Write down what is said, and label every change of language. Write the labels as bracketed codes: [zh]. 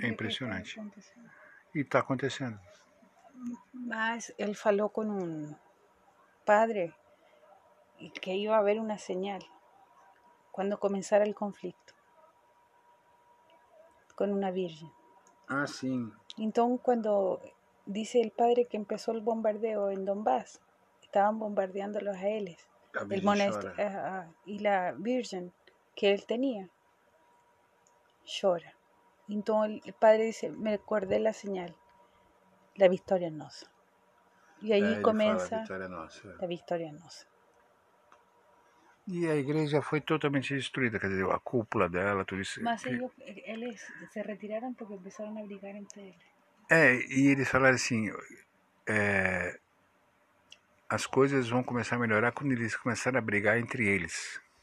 [pt] é impressionante. E está acontecendo. Mas ele falou com um padre que ia haver uma señal quando começar o conflito com uma virgem. Ah, sim. [es] Entonces, cuando dice el padre que empezó el bombardeo en Donbass, estaban bombardeándolos a él, el monasterio, y la virgen que él tenía, llora. Entonces, el padre dice, me acordé la señal, la victoria en nos. Y ahí comienza la victoria en nos. [pt] E a igreja foi totalmente destruída, quer dizer, a cúpula dela, tudo isso. Mas eles se retiraram porque começaram a brigar entre eles. E eles falaram assim, as coisas vão começar a melhorar quando eles começarem a brigar entre eles.